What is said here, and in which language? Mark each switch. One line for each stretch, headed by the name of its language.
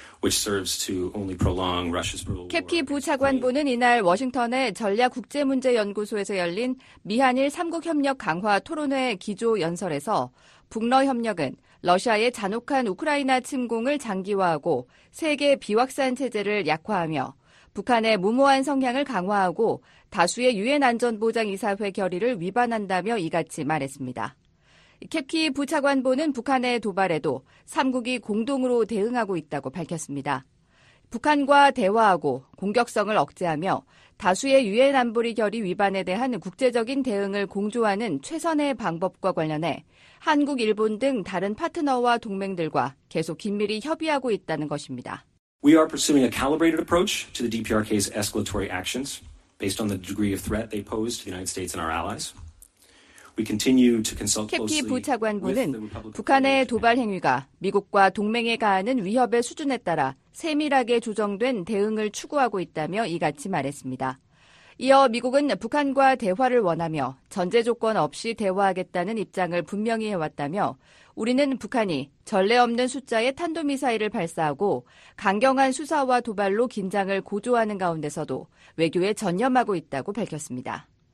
English: Which serves to only prolong Russia's brutal war.
Korean: 캡키 부차관보는 이날 워싱턴의 전략국제문제연구소에서 열린 미한일 3국 협력 강화 토론회 기조 연설에서 북러 협력은 러시아의 잔혹한 우크라이나 침공을 장기화하고 세계 비확산 체제를 약화하며 북한의 무모한 성향을 강화하고 다수의 유엔 안전보장이사회 결의를 위반한다며 이같이 말했습니다. 캡키 부차관보는 북한의 도발에도 3국이 공동으로 대응하고 있다고 밝혔습니다. 북한과 대화하고 공격성을 억제하며 다수의 유엔 안보리 결의 위반에 대한 국제적인 대응을 공조하는 최선의 방법과 관련해 한국, 일본 등 다른 파트너와 동맹들과 계속 긴밀히 협의하고 있다는 것입니다.
English: We are pursuing a calibrated approach to the DPRK's escalatory actions based on the degree of threat they pose to the United States and our allies.
Korean: 캡키 부차관보는 북한의 도발 행위가 미국과 동맹에 가하는 위협의 수준에 따라 세밀하게 조정된 대응을 추구하고 있다며 이같이 말했습니다. 이어 미국은 북한과 대화를 원하며 전제 조건 없이 대화하겠다는 입장을 분명히 해왔다며 우리는 북한이 전례 없는 숫자의 탄도미사일을 발사하고 강경한 수사와 도발로 긴장을 고조하는 가운데서도 외교에 전념하고 있다고 밝혔습니다.